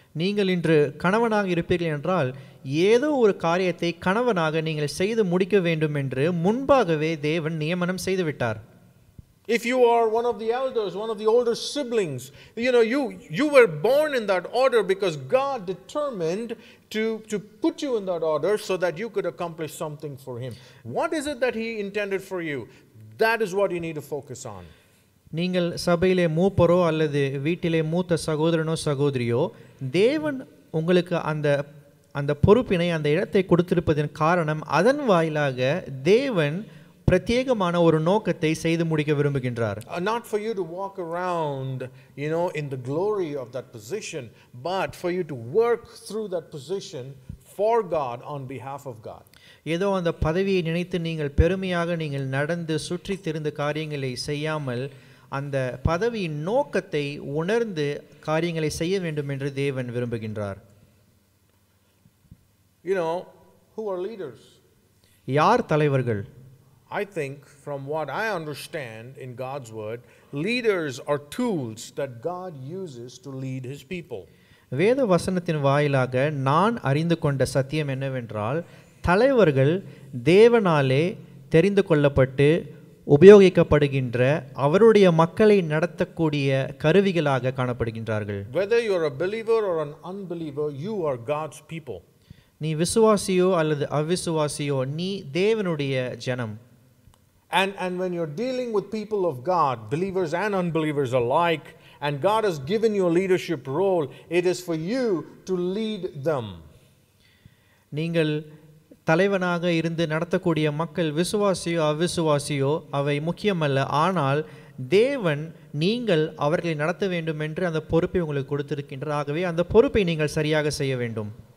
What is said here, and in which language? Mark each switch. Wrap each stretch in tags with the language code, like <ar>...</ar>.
<ta>நீங்கள் இன்று கணவனாக இருப்பீர்கள் என்றால் ஏதோ ஒரு காரியத்தை கணவனாக நீங்கள் செய்து முடிக்க வேண்டும் என்று முன்பாகவே தேவன் நியமனம் செய்து விட்டார்.</ta> <en>If you are one of the elders, one of the older siblings, you know, you were born in that order because God determined to put you in that order so that you could accomplish something for him. What is it that he intended for you? That is what you need to focus on.</en> <ta>நீங்கள் சபையிலே மூப்பரோ அல்லது வீட்டிலே மூத்த சகோதரனோ சகோதரியோ, தேவன் உங்களுக்கு அந்த பொறுப்பினை, அந்த இடத்தை கொடுத்திருப்பதன் காரணம் அதன் வாயிலாக தேவன் பிரத்யேகமான ஒரு நோக்கத்தை செய்து முடிக்க விரும்புகின்றார்.</ta> <en>Not for you to walk around, you know, in the glory of that position, but for you to work through that position for God on behalf of God.</en> <ta>ஏதோ அந்த பதவியை நினைத்து நீங்கள் பெருமையாக நீங்கள் நடந்து சுற்றி திரிந்து காரியங்களை செய்யாமல் அந்த பதவியின் நோக்கத்தை உணர்ந்து காரியங்களை செய்ய வேண்டும் என்று தேவன் விரும்புகின்றார்.</ta> <en>You know, who are leaders?</en> <ta>யார் தலைவர்கள்?</ta> <en>I think from what I understand in God's word, leaders are tools that God uses to lead his people.</en> <ta>வேத வசனத்தின் வாயிலாக நான் அறிந்து கொண்ட சத்தியம் என்னவென்றால், தலைவர்கள் தேவனாலே தெரிந்து கொள்ளப்பட்டு உபயோகிக்கப்படுகின்ற அவருடைய மக்களை நடத்தக்கூடிய கருவிகளாக காணப்படுகின்றார்கள்.</ta> <en>Whether you are a believer or an unbeliever, you are God's people.</en> <ta>நீ விசுவாசியோ அல்லது அவிசுவாசியோ, நீ தேவனுடைய ஜனம்.</ta> <en>And when you're dealing with people of God, believers and unbelievers alike, and God has given you a leadership role, it is for you to lead them.</en> <ta>நீங்கள் தலைவனாக இருந்து நடத்தக்கூடிய மக்கள் விசுவாசியோ அவிசுவாசியோ அவை முக்கியமல்ல. ஆனால் தேவன் நீங்கள் அவர்களை நடத்த வேண்டும் என்று அந்த பொறுப்பை உங்களுக்கு கொடுத்திருக்கின்றார். ஆகவே அந்த பொறுப்பை நீங்கள் சரியாக செய்ய வேண்டும்.</ta>